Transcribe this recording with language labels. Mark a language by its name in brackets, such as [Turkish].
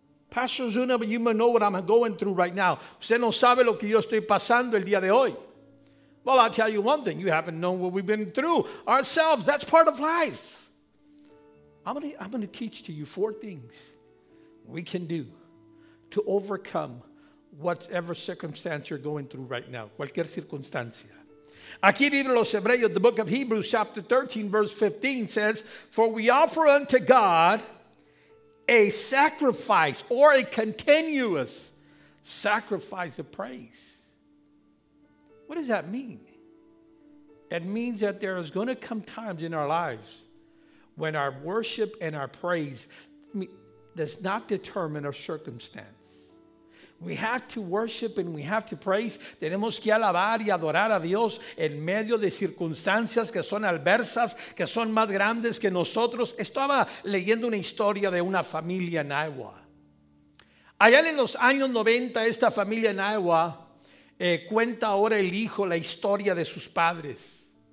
[English] Pastor Zuna, but you may know what I'm going through right now. [Spanish] Usted no sabe lo que yo estoy pasando el día de hoy. [English] Well, I'll tell you one thing. You haven't known what we've been through ourselves. That's part of life. I'm going to teach to you four things we can do to overcome whatever circumstance you're going through right now. [Spanish] Cualquier circunstancia. Aquí vienen los Hebreos. [English] The book of Hebrews chapter 13 verse 15 says, for we offer unto God a sacrifice or a continuous sacrifice of praise. What does that mean? It means that there is going to come times in our lives when our worship and our praise does not determine our circumstance. We have to worship and we have to praise. [Spanish] Tenemos que alabar y adorar a Dios en medio de circunstancias que son adversas, que son más grandes que nosotros. Estaba leyendo una historia de una familia en Iowa. Allá en los años 90, esta familia en Iowa cuenta ahora el hijo la historia de sus padres.